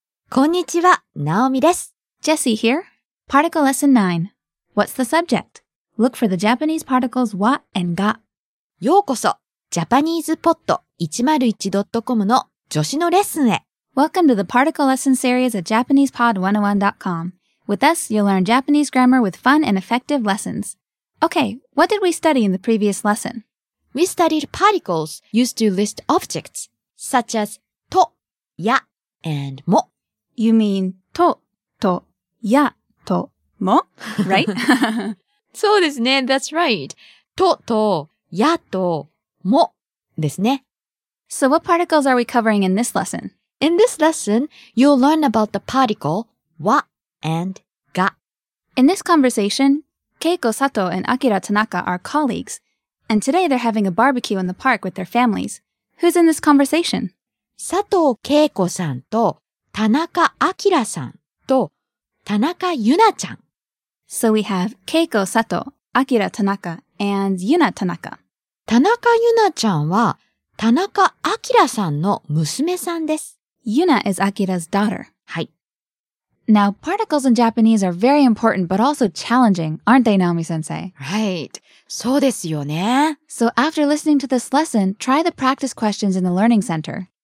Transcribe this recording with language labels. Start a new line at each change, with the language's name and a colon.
Japanese: こんにちは、ナオミです。
English: Jesse here. Particle Lesson 9. What's the subject? Look for the Japanese particles wa and ga.
Japanese: ようこそ、JapanesePod101.com の女子のレッスンへ。
English: Welcome to the Particle Lesson Series at JapanesePod101.com. With us, you'll learn Japanese grammar with fun and effective lessons. Okay, what did we study in the previous lesson? We studied particles used to list objects, such as to, ya, and mo. You mean と、と、や、と、も? Right?
Japanese: そうですね。 That's right. と、と、や、と、もですね。
English: So what particles are we covering in this lesson? In this lesson, you'll learn about the particle わ and が. In this conversation, Keiko Sato and Akira Tanaka are colleagues, and today they're having a barbecue in the park with their families. Who's in this conversation?
Japanese: 佐藤恵子さんと田中明さんと田中ゆなちゃん。
English: So we have Keiko Sato, Akira Tanaka, and Yuna Tanaka.
Japanese: 田中ゆなちゃんは田中明さんの娘さんです。
English: Yuna is Akira's daughter.
Japanese: はい。
English: Now, particles in Japanese are very important but also challenging, aren't they, Naomi-sensei?
Japanese: Right. そうですよね。
English: So after listening to this lesson, try the practice questions in the Learning Center.